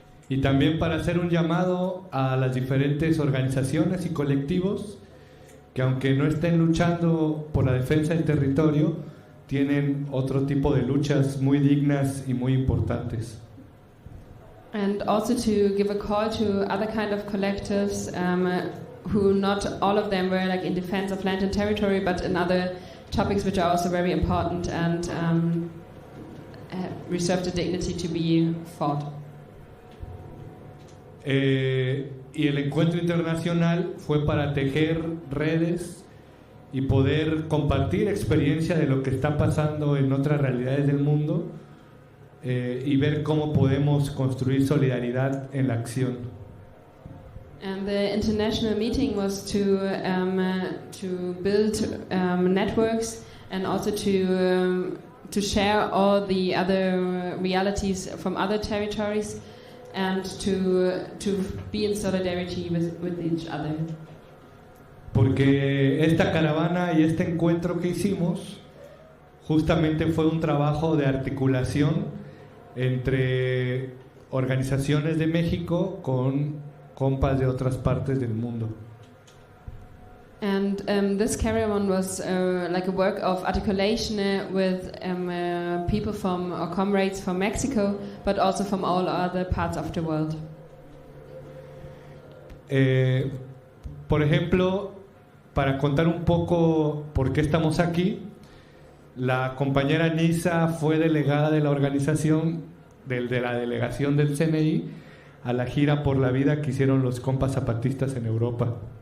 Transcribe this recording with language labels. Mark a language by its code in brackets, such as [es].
[es] Y también para hacer un llamado a las diferentes organizaciones y colectivos que aunque no estén luchando por la defensa del territorio, tienen otro tipo de luchas muy dignas y muy importantes. [en] And also to give a call to other kind of collectives who not all of them were like in defense of land and territory, but in other topics which are also very important and reserve the dignity to be fought. [es] Y el encuentro internacional fue para tejer redes y poder compartir experiencia de lo que está pasando en otras realidades del mundo y ver cómo podemos construir solidaridad en la acción. [en] And the international meeting was to build networks and also to share all the other realities from other territories and to be in solidarity with each other. [es] Porque esta caravana y este encuentro que hicimos justamente fue un trabajo de articulación entre organizaciones de México con compas de otras partes del mundo. [en] And this caravan was like a work of articulation with people from or comrades from Mexico, but also from all other parts of the world. [es] Por ejemplo, para contar un poco por qué estamos aquí, la compañera Nisa fue delegada de la organización de la delegación del CNI a la gira por la vida que hicieron los compas zapatistas en Europa.